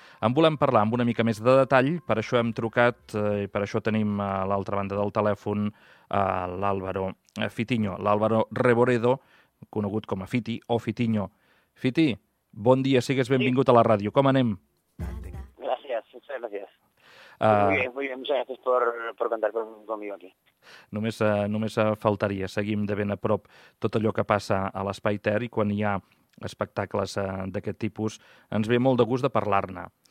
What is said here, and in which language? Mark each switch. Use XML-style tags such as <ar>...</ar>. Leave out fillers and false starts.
<ca>En volem parlar amb una mica més de detall, per això hem trucat i per això tenim a l'altra banda del telèfon l'Álvaro Fitiño, l'Álvaro Reboredo, conegut com a Fiti o Fitiño. Fiti, bon dia, sigues benvingut a la ràdio. Com anem? Gràcies, moltes gràcies.</ca> <es>Muy bien, muchas gracias por contar conmigo aquí.</es> <ca>Només faltaria, seguim de ben a prop tot allò que passa a l'Espai Ter, i quan hi ha espectacles d'aquest tipus ens ve molt de gust de parlar-ne.</ca>